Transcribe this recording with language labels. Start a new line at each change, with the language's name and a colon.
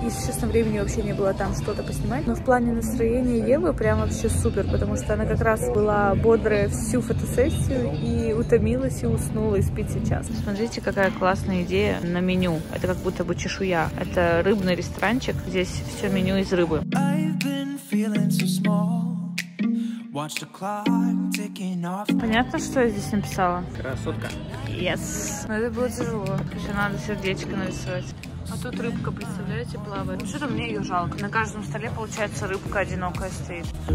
Russian: И, честно, времени вообще не было там что-то поснимать. Но в плане настроения Евы прям вообще супер, потому что она как раз была бодрая всю фотосессию и утомилась, и уснула, и спит сейчас. Смотрите, какая классная идея на меню. Это как будто бы чешуя. Это рыбный ресторанчик, здесь все меню из рыбы.
English: Feeling so small. Watch the clock ticking off.
Russian: Понятно, что я здесь написала? Красотка.
English: Yes.
Russian: Но это было тяжело. Еще надо сердечко нарисовать. А тут рыбка, представляете, плавает. Ну что-то мне ее жалко. На каждом столе, получается, рыбка одинокая стоит.